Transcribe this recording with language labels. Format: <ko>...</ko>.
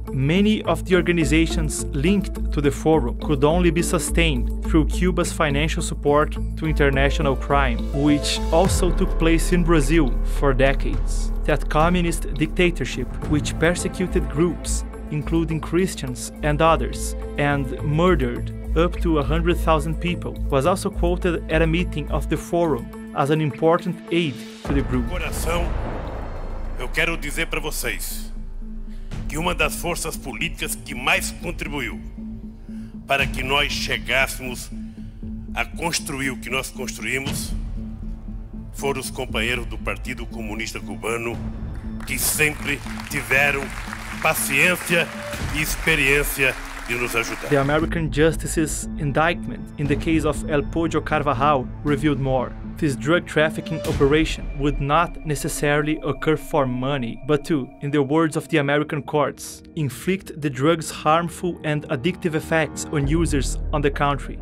<en>Many of the organizations linked to the forum could only be sustained through Cuba's financial support to international crime, which also took place in Brazil for decades. That communist dictatorship, which persecuted groups, including Christians and others, and murdered up to 100,000 people, was also quoted at a meeting of the forum as an important aid to the group.</en> <pt>Coração. Eu quero dizer para vocês que uma das forças políticas que mais contribuiu para que nós chegássemos a construir o que nós construímos foram os companheiros do Partido Comunista Cubano que sempre tiveram paciência e experiência de nos ajudar.</pt> <en>The American Justice's indictment in the case of El Pollo Carvajal revealed more. This drug trafficking operation would not necessarily occur for money, but to, in the words of the American courts, inflict the drug's harmful and addictive effects on users on the country.</en>